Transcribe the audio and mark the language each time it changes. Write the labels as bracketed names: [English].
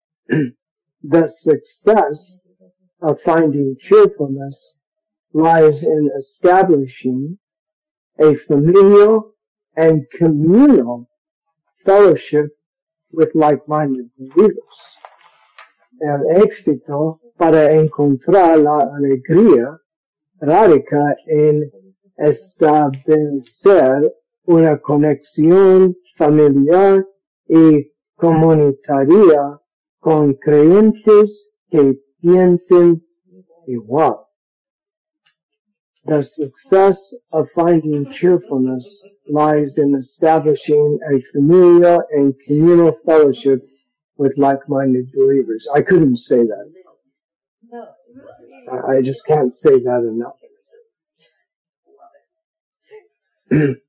[English] The success of finding cheerfulness lies in establishing a familial and communal fellowship with like-minded believers. [Spanish] El éxito para encontrar la alegría radica en establecer una conexión familiar y comunitaria con creyentes que piensen igual. [English] The success of finding cheerfulness lies in establishing a familial and communal fellowship with like-minded believers. I couldn't say that. I just can't say that enough.